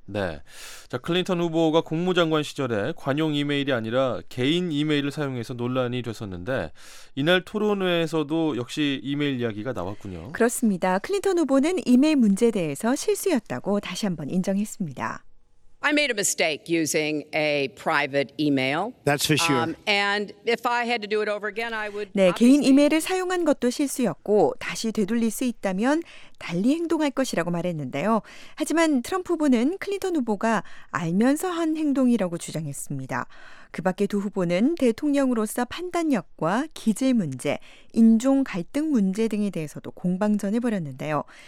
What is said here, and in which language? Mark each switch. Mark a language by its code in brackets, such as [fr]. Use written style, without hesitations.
[ko] 네, 자 클린턴 후보가 국무장관 시절에 관용 이메일이 아니라 개인 이메일을 사용해서 논란이 됐었는데 이날 토론회에서도 역시 이메일 이야기가 나왔군요. 그렇습니다. 클린턴 후보는 이메일 문제에 대해서 실수였다고 다시 한번 인정했습니다. [en] I made a mistake using a private email. That's for sure. And if I had to do it over again, I would. [ko] 네, 개인 이메일을 사용한 것도 실수였고 다시 되돌릴 수 있다면 달리 행동할 것이라고 말했는데요. 하지만 트럼프 후보는 클린턴 후보가 알면서 한 행동이라고 주장했습니다. 그 밖에 두 후보는 대통령으로서 판단력과 기질 문제, 인종 갈등 문제 등에 대해서도 공방전을 벌였는데요.